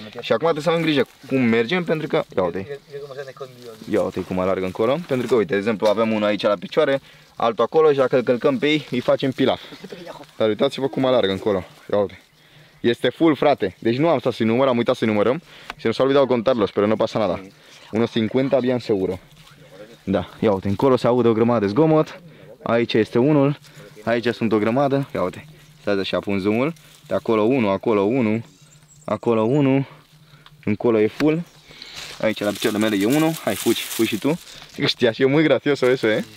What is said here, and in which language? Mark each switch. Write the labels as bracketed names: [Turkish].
[Romanian] Și acum trebuie să avem grijă cum mergem, pentru că... Ia uite-i. Ia uite-i cum alargă încolo. Pentru că, uite, de exemplu, avem unul aici la picioare, altul acolo și dacă îl călcăm pe ei, îi facem pilaf. Dar uitați-vă cum alargă încolo. Ia uite. Este full, frate. Deci nu am stat să-i număr, am uitat să-i numărăm. [Spanish] Se nos-a olvidat contarlos, pero no pasa nada. 1.50, bien seguro. [Romanian] Da, ia uite, încolo se aude o grămadă de zgomot. Aici este unul. Aici sunt o grămadă. Ia uite, stai așa, pun zoom-ul. De acolo unul, acolo unul. Acolo unul. Încolo e full. Aici la picioarele mele e unul. Hai, fugi, fugi și tu. Știa, e mult [Spanish] gracioso eso,